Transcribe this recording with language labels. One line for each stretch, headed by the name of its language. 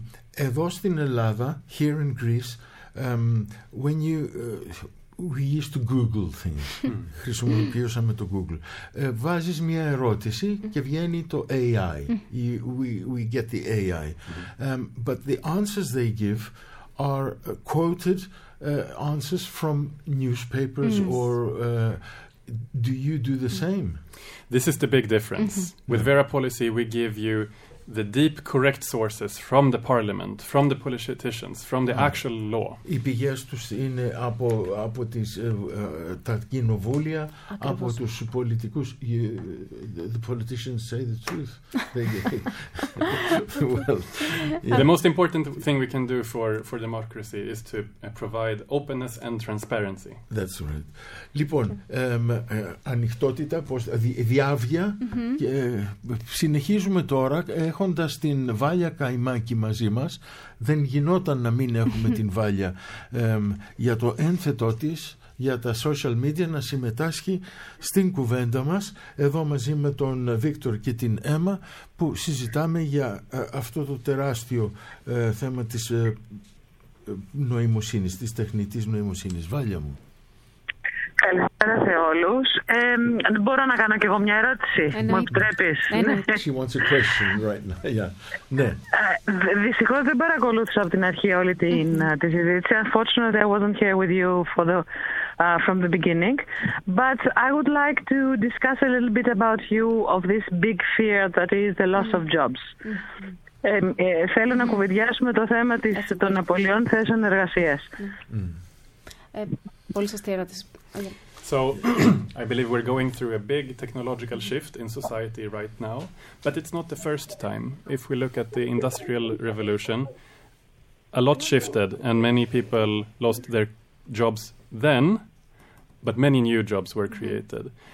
Greek: Εδώ στην Ελλάδα,
English: here in Greece, when you we used to Google things,
Greek: χρησιμοποιούσαμε το Google. Βάζεις μια ερώτηση και βγαίνει το AI.
English: We get the AI. But the answers they give are quoted answers from newspapers or... do you do the same? This is the big difference. With Vera Policy, we give you the deep, correct sources from the parliament, from the politicians, from the actual law.
Greek: Οι πηγές τους είναι από τις τα κοινοβούλια, από τους πολιτικούς.
English: The politicians say the truth. The most important thing we can do for democracy is to provide openness and transparency. That's right.
Greek: Λοιπόν, ανοιχτότητα, διάβια, συνεχίζουμε τώρα, έχω την Βάλια Καϊμάκη μαζί μας. Δεν γινόταν να μην έχουμε την Βάλια για το ένθετό της, για τα social media, να συμμετάσχει στην κουβέντα μας εδώ μαζί με τον Βίκτορ και την Έμα, που συζητάμε για αυτό το τεράστιο θέμα της νοημοσύνης, της τεχνητής νοημοσύνης. Βάλια μου, καλησπέρα σε όλους. Μπορώ να κάνω και εγώ μια ερώτηση, μου επιτρέπεις?
English: She wants a question right now. Yeah.
Greek: Ναι. Δυστυχώς δεν παρακολούθησα από την αρχή όλη την τη συζήτηση.
English: Unfortunately, I wasn't here with you for the from the beginning. But I would like to discuss a little bit about you of this big fear that is the loss of jobs.
Greek: Θέλω να κουβεντιάσουμε το θέμα των απολειών θέσεων εργασίας. Πολύ σωστή ερώτηση.
English: So, I believe we're going through a big technological shift in society right now, but it's not the first time. If we look at the Industrial Revolution, a lot shifted and many people lost their jobs then, but many new jobs were created.